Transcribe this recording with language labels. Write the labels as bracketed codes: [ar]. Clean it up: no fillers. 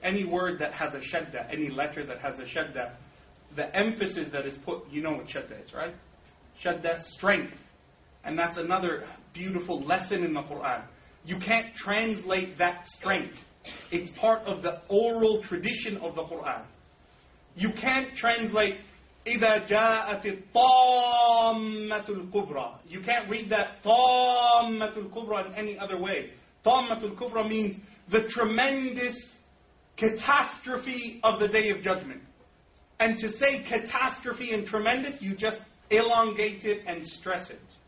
[en] Any word that has a shadda, any letter that has a shadda, the emphasis that is put, you know what shadda is, right? Shadda, strength. And that's another beautiful lesson in the Quran. You can't translate that strength. It's part of the oral tradition of the Quran. You can't translate, [ar] إِذَا جَاءَتِ الطَّامَّةُ الْكُبْرَى. [en] You can't read that [ar] طَامَّةُ الْكُبْرَى [en] in any other way. [ar] طَامَّةُ الْكُبْرَى [en] means the tremendous catastrophe of the Day of Judgment. And to say catastrophe and tremendous, you just elongate it and stress it.